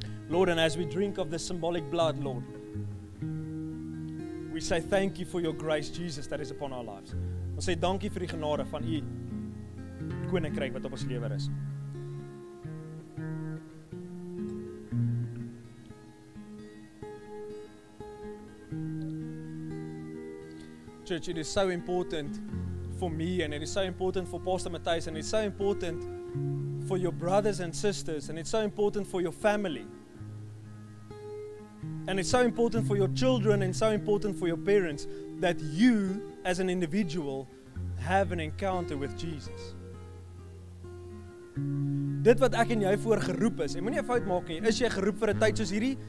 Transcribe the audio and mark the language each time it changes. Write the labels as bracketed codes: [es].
[en] Lord, and as we drink of the symbolic blood, Lord, we say thank you for your grace, Jesus, that is upon our lives. [af] Ons sê dankie vir die genade van u koninkryk wat op ons lewe is. [en] Church, it is so important for me, and it is so important for Pastor Matthys, and it's so important for your brothers and sisters, and it's so important for your family, and it's so important for your children, and so important for your parents, that you as an individual have an encounter with Jesus. [af] Dit wat ek en jy voor geroep is, en moenie 'n fout maak nie, is jy geroep vir 'n tyd soos hierdie?